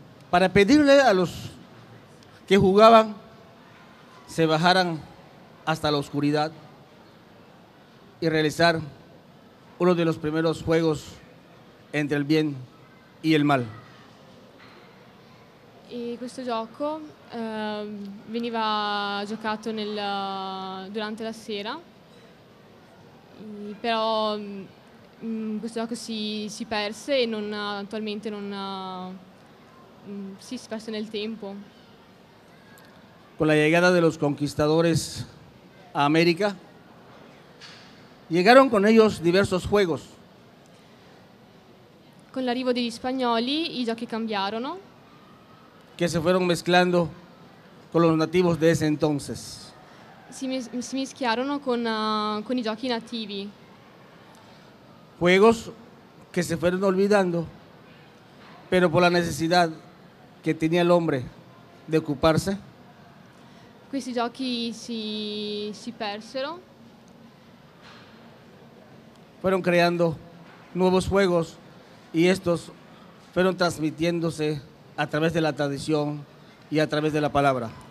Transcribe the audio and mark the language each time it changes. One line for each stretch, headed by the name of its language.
Spanish: Para pedirle a los que jugaban se bajaran hasta la oscuridad y realizar uno de los primeros juegos entre el bien y el mal.
Italian: E questo gioco veniva giocato durante la sera, però questo gioco si perse e non attualmente non si perse nel tempo.
Spanish: Con la llegada de los conquistadores a América, llegaron con ellos diversos juegos.
Italian: Con l'arrivo degli spagnoli i giochi cambiarono.
Spanish: Que se fueron mezclando con los nativos de ese entonces.
Italian: Si mezclaron con i giochi nativi.
Spanish: Juegos que se fueron olvidando, pero por la necesidad que tenía el hombre de ocuparse.
Italian: Questi giochi si persero.
Spanish: Fueron creando nuevos juegos y estos fueron transmitiéndose a través de la tradición y a través de la palabra.